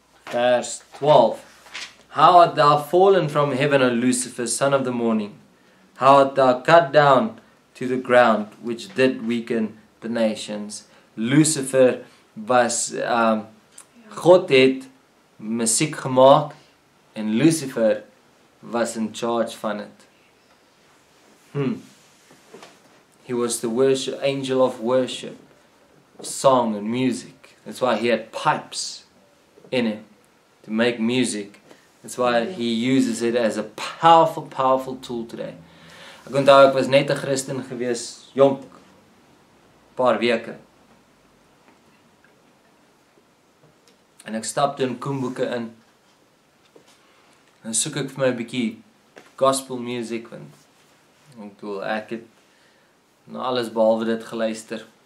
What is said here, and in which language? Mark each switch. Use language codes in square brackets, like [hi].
[en] Verse 12. "How art thou fallen from heaven, O Lucifer, son of the morning? How art thou cut down to the ground, which did weaken the nations?" [af] Lucifer was God het muziek gemaakt, en Lucifer was in charge van het. [en] He was the worship angel of worship, song and music. That's why he had pipes in him to make music. That's why he uses it as a powerful, powerful tool today. [af] Ek onthou, ek was net 'n Christen gewees, jonk, paar weke. En ek stapte in Koemboeke in. En soek ek vir my 'n bietjie gospel music, want ek het na alles behalwe dit geluister.